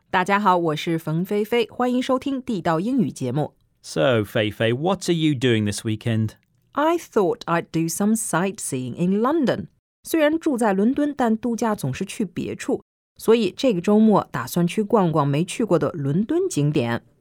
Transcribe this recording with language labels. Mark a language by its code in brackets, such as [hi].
[zh] 大家好，我是冯菲菲，欢迎收听地道英语节目。 [en] So, Fei Fei, what are you doing this weekend? I thought I'd do some sightseeing in London. [zh] 虽然住在伦敦，但度假总是去别处。所以这个周末打算去逛逛没去过的伦敦景点。